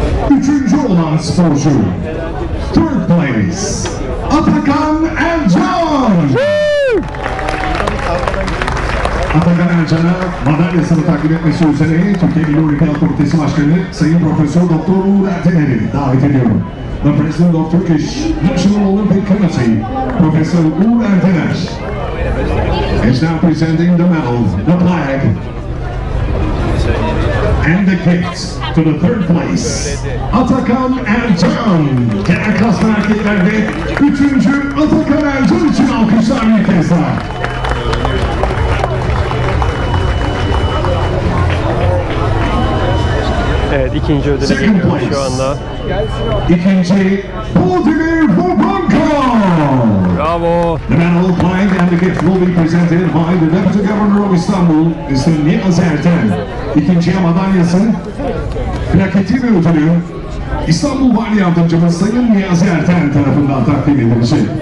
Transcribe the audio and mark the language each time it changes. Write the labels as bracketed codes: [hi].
[tr] Üçüncü olan sporcu, [en] third place, [tr] Atakan Ercan! Atakan Ercan'a madalyasını takdim etmesi üzere Türkiye Milli Olimpiyat Komitesi Başkanı Sayın Profesör Doktor Uğur Erten'i davet ediyorum. [en] The President of Turkish National Olympic Committee, Professor Uğur Erteneş, is now presenting the medal, the flag, and the gift to the third place, Atakan Ercan. [tr] Genel klasman erkeklerde üçüncü Atakan Ercan için alkışlar bir kez daha. Evet, ikinci ödüle geliyoruz şu anda. İkinci, Vladimir Vovanka! Bravo! [en] The medal, flag and the gift will be presented by the Deputy Governor of Istanbul, Mr. Niyaz Erten. [tr] İkinciye madalyası, plaketi ve ödülü İstanbul Vali Yardımcımız Sayın Niyaz Erten tarafından takdim edilecek.